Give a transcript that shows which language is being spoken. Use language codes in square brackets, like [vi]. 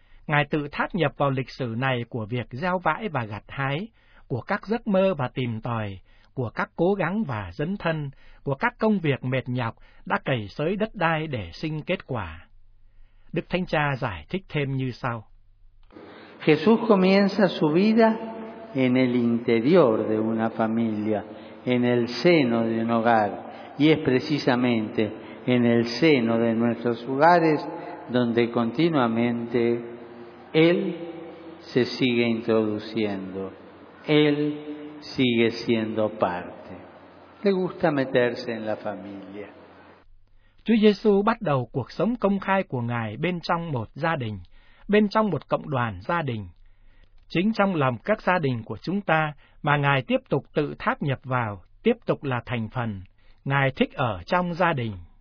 [vi] Ngài tự thác nhập vào lịch sử này của việc gieo vãi và gặt hái, của các giấc mơ và tìm tòi, của các cố gắng và dấn thân, của các công việc mệt nhọc đã cày xới đất đai để sinh kết quả. Đức Thánh Cha giải thích thêm như sau. [es] Jesús comienza su vida en el interior de una familia, en el seno de un hogar, y es precisamente en el seno de nuestros hogares, donde continuamente Él se sigue introduciendo, Él sigue siendo parte. Le gusta meterse en la familia. [vi] Chúa Giêsu bắt đầu cuộc sống công khai của Ngài bên trong một gia đình, bên trong một cộng đoàn gia đình. Chính trong lòng các gia đình của chúng ta mà Ngài tiếp tục tự tháp nhập vào, tiếp tục là thành phần. Ngài thích ở trong gia đình.